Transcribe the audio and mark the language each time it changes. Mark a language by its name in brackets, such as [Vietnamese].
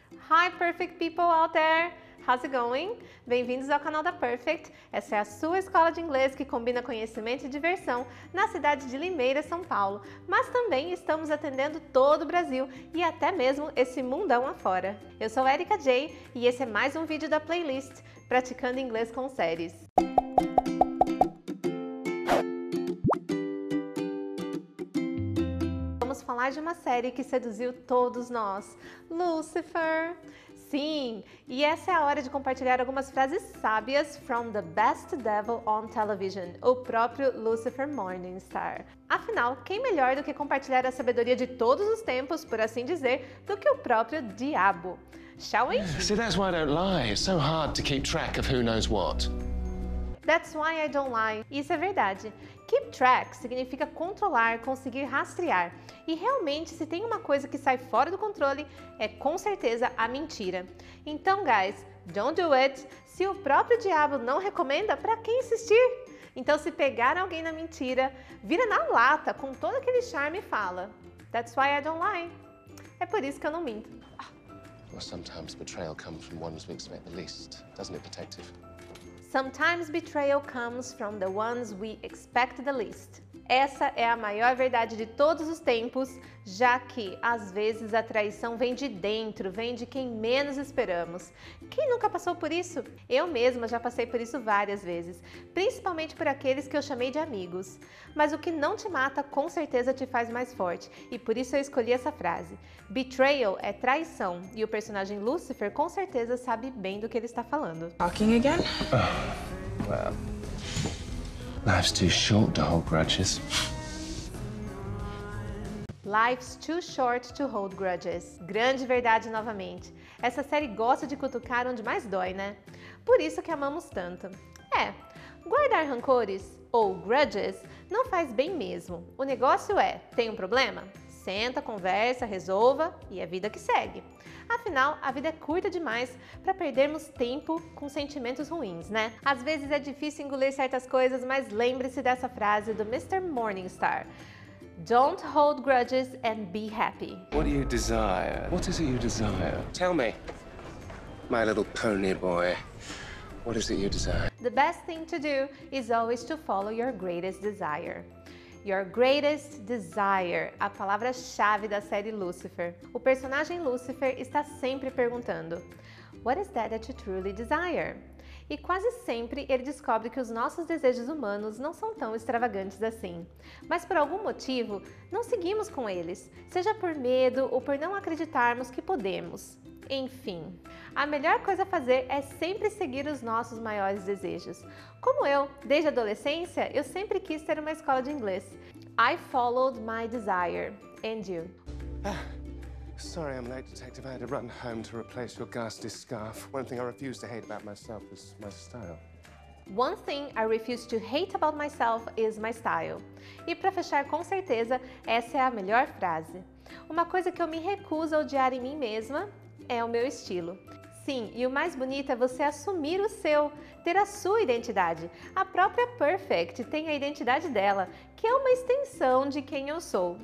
[English] Hi, perfect people out there! How's it going? [Portuguese] Bem-vindos ao canal da Perfect. Essa é a sua escola de inglês que combina conhecimento e diversão na cidade de Limeira, São Paulo. Mas também estamos atendendo todo o Brasil e até mesmo esse mundão afora. Eu sou Erika Jay e esse é mais um vídeo da playlist Praticando Inglês com Séries. Falar de uma série que seduziu todos nós, Lucifer. Sim, e essa é a hora de compartilhar algumas frases sábias [English] from the best devil on television, [Portuguese] o próprio Lucifer Morningstar. Afinal, quem melhor do que compartilhar a sabedoria de todos os tempos, por assim dizer, do que o próprio diabo? [English] Shall we? See, that's why I don't lie. It's so hard to keep track of who knows what. That's why I don't lie. [Portuguese] Isso é verdade. Keep track significa controlar, conseguir rastrear. E realmente, se tem uma coisa que sai fora do controle, é com certeza a mentira. Então, guys, [English] don't do it. [Portuguese] Se o próprio diabo não recomenda, pra quem insistir? Então, se pegar alguém na mentira, vira na lata com todo aquele charme e fala: [English] That's why I don't lie. [Portuguese] É por isso que eu não minto. [English] Well, sometimes betrayal comes from ones we expect the least, doesn't it, detective? Sometimes betrayal comes from the ones we expect the least. [Portuguese] Essa é a maior verdade de todos os tempos, já que às vezes a traição vem de dentro, vem de quem menos esperamos. Quem nunca passou por isso? Eu mesma já passei por isso várias vezes, principalmente por aqueles que eu chamei de amigos. Mas o que não te mata, com certeza te faz mais forte, e por isso eu escolhi essa frase. Betrayal é traição, e o personagem Lucifer com certeza sabe bem do que ele está falando. [English] Talking again? Oh, well. Life's too short to hold grudges. Life's too short to hold grudges. [Portuguese] Grande verdade novamente. Essa série gosta de cutucar onde mais dói, né? Por isso que amamos tanto. É, guardar rancores ou grudges não faz bem mesmo. O negócio é, tem um problema? Senta, conversa, resolva e a vida que segue. Afinal, a vida é curta demais para perdermos tempo com sentimentos ruins, né? Às vezes é difícil engolir certas coisas, mas lembre-se dessa frase do Mr. Morningstar. [English] Don't hold grudges and be happy. What do you desire? What is it you desire? Tell me, my little pony boy. What is it you desire? The best thing to do is always to follow your greatest desire. Your greatest desire, [Portuguese] a palavra-chave da série Lucifer. O personagem Lucifer está sempre perguntando: [English] What is that that you truly desire? [Portuguese] E quase sempre ele descobre que os nossos desejos humanos não são tão extravagantes assim. Mas por algum motivo, não seguimos com eles, seja por medo ou por não acreditarmos que podemos. Enfim, a melhor coisa a fazer é sempre seguir os nossos maiores desejos. Como eu, desde a adolescência, eu sempre quis ter uma escola de inglês. [English] I followed my desire. And you? Sorry, I'm late, detective. I had to run home to replace your ghastly scarf. One thing I refuse to hate about myself is my style. One thing I refuse to hate about myself is my style. [Portuguese] E pra fechar, com certeza, essa é a melhor frase. Uma coisa que eu me recuso a odiar em mim mesma é o meu estilo. Sim, e o mais bonito é você assumir o seu, ter a sua identidade. A própria Perfect tem a identidade dela, que é uma extensão de quem eu sou.